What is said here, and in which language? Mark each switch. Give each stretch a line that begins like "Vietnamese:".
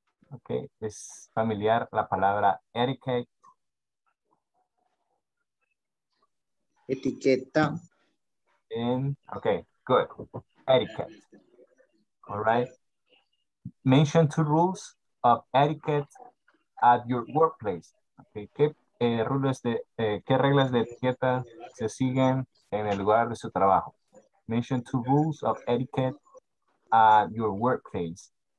Spanish: Ok, ¿es familiar la palabra etiquette? Etiqueta.
English: Ok, good. Etiquette. All right. Mention two rules of etiquette at your workplace. Okay.
Spanish: ¿Qué reglas de etiqueta se siguen en el lugar de su trabajo?
English: Mention two rules of etiquette at your workplace.